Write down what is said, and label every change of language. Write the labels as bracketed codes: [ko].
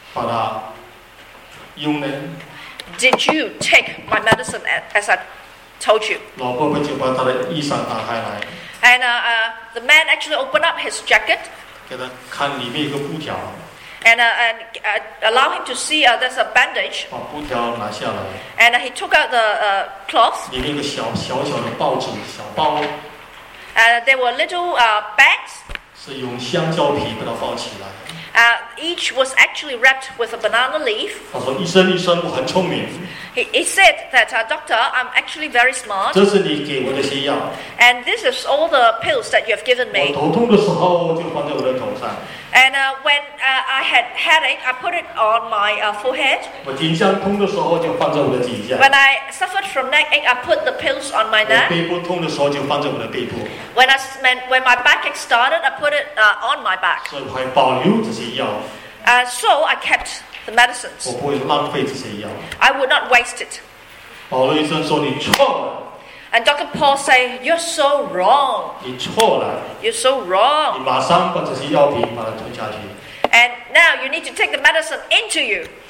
[zh] 你有没有把我的药把它用呢？ [en] Did you take my medicine as I told you? [zh] 老伯伯就把他的衣裳打开来。 [en] And the man actually opened up his jacket. [zh] 给他看里面有个布条。 [en] And allow him to see there's a bandage. [zh] 把布条拿下来。 [en] And he took out the cloth. [zh] 里面有个小小的报纸小包。 [en] And there were little bags. [zh] 是用香蕉皮把它包起来。 [en] Each was actually wrapped with a banana leaf. [zh] 他说：“医生，医生，我很聪明。” [en] He said that, "Doctor, I'm actually very smart." [zh] 这是你给我的些药。 [en] And this is all the pills that you have given me. [zh] 我头痛的时候就放在我的头上。 [en] And when I had headache, I put it on my forehead. [zh] 我颈项痛的时候就放在我的颈项。 [en] When I suffered from neckache, I put the pills on my neck. [zh] 我背部痛的时候就放在我的背部。 [en] When my backache started, I put it on my back. [zh] 所以我还保留这些药。 [en] So I kept the medicines. [zh] 我不会浪费这些药。 [en] I would not waste it. [zh] 保罗医生说你错了。 [en] And Dr. Paul say, "You're so wrong." [zh] 你错了。 [en] You're so wrong. [zh] 你马上把这些药品把它吞下去。 [en] And now you need to take the medicine into you.